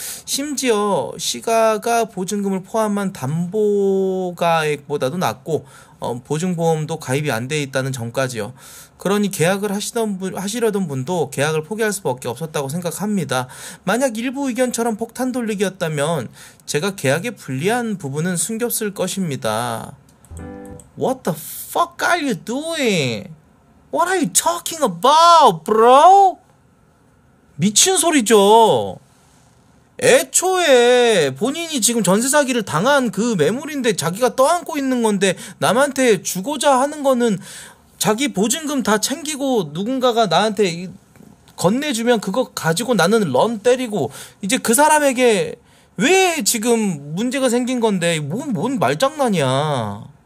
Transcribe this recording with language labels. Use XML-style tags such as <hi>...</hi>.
<ko>심지어 시가가 보증금을 포함한 담보가액보다도 낮고 보증보험도 가입이 안 돼 있다는 점까지요. 그러니 계약을 하시려던 분도 계약을 포기할 수밖에 없었다고 생각합니다. 만약 일부 의견처럼 폭탄 돌리기였다면 제가 계약에 불리한 부분은 숨겼을 것입니다.</ko> <en>What the fuck are you doing? What are you talking about, bro?</en> <ko>미친 소리죠. 애초에 본인이 지금 전세 사기를 당한 그 매물인데 자기가 떠안고 있는 건데 남한테 주고자 하는 거는 자기 보증금 다 챙기고 누군가가 나한테 건네주면 그거 가지고 나는 런 때리고 이제 그 사람에게 왜 지금 문제가 생긴 건데 뭔 말장난이야.</ko>